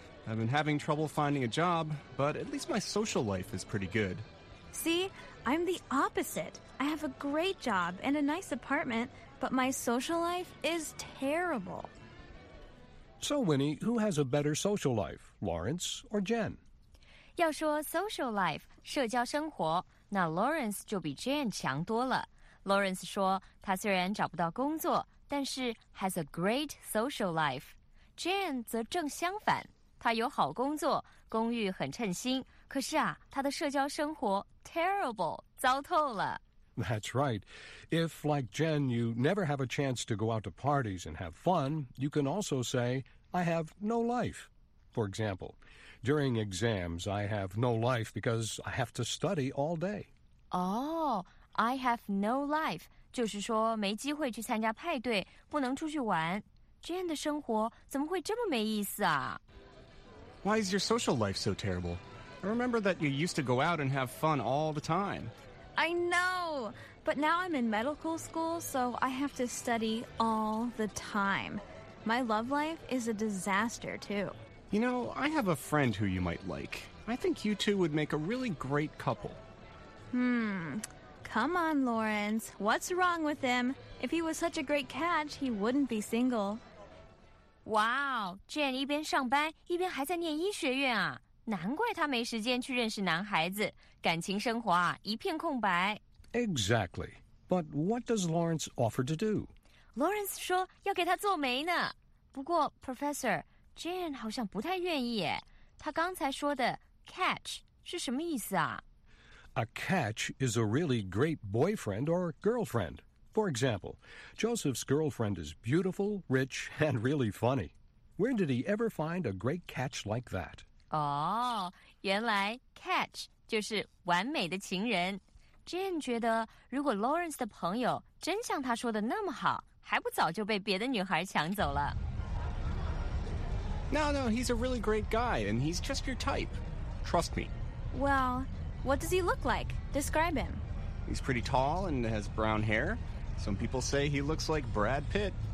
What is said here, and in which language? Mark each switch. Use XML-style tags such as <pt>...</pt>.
<en>I've been having trouble finding a job, but at least my social life is pretty good. See? I'm the opposite. I have a great job and a nice apartment, but my social life is terrible. So, Winnie, who has a better social life, Lawrence or Jen?</en> <zh>要说</zh> <en>social life,</en> <zh>社交生活，那 Lawrence 就比 Jen 强多了。 Lawrence 说他虽然找不到工作，但是</zh> <en>has a great social life。</en> <zh>Jen 则正相反，他有好工作，公寓很称心，可是啊，他的社交生活 terrible, 糟透了。</zh> <en>That's right. If, like Jen, you never have a chance to go out to parties and have fun, you can also say, I have no life. For example, during exams, I have no life because I have to study all day. Oh, I have no life.</en> <zh>就是说没机会去参加派对，不能出去玩。 Jen 的生活怎么会这么没意思啊？</zh> <en>Why is your social life so terrible? I remember that you used to go out and have fun all the time. I know, but now I'm in medical school, so I have to study all the time. My love life is a disaster, too. You know, I have a friend who you might like. I think you two would make a really great couple. Come on, Lawrence. What's wrong with him? If he was such a great catch, he wouldn't be single.</en> <zh>哇哦 ，Jen 一边上班一边还在念医学院啊，难怪她没时间去认识男孩子，感情生活啊一片空白。</zh> <en>Exactly, but what does Lawrence offer to do?</en> <zh>Lawrence 说要给他做媒呢。不过 ，Professor Jen 好像不太愿意耶。他刚才说的 catch 是什么意思啊</zh> <en>？A catch is a really great boyfriend or girlfriend. For example, Joseph's girlfriend is beautiful, rich, and really funny. Where did he ever find a great catch like that?</en> <zh>Oh, 原来 catch 就是完美的情人。 Jen 觉得如果 Lawrence 的朋友真像他说的那么好，还不早就被别的女孩抢走了。</zh> <en>No, no, he's a really great guy, and he's just your type. Trust me. Well, what does he look like? Describe him. He's pretty tall and has brown hair. Some people say he looks like Brad Pitt.</en>